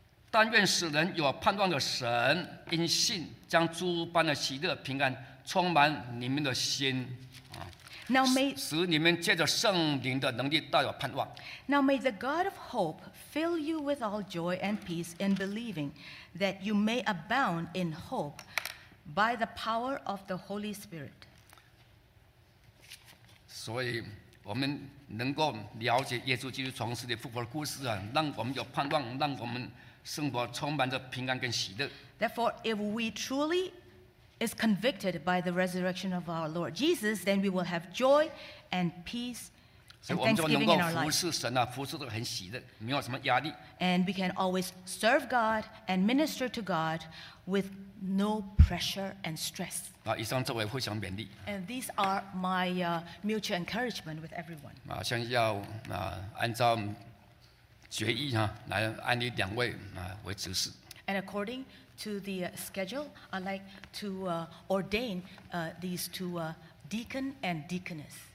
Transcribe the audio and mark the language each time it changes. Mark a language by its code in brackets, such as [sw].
[zh] 但愿使人有盼望的神因信。将诸般的喜乐平安充满你们的心 [en] Now may, [zh] 使你们借着圣灵的能力大有盼望 [en] Now may the God of hope fill you with all joy and peace in believing that you may abound in hope by the power of the Holy Spirit [zh] 所以我们能够了解耶稣基督从死里复活的故事、啊、让我们有盼望让我们生活充满着平安跟喜乐 [en] Therefore, if we truly is convicted by the resurrection of our Lord Jesus, then we will have joy and peace and thanksgiving in our life. [zh] 服侍得很喜乐，没有什么压力。 [en] And we can always serve God and minister to God with no pressure and stress. [zh] 以上作为互相勉励。 [en] And these are my mutual encouragement with everyone. [zh] 想要按照决议哈，来按你两位为执事。 [en] And according to the schedule, I'd like to ordain these two deacon and deaconess.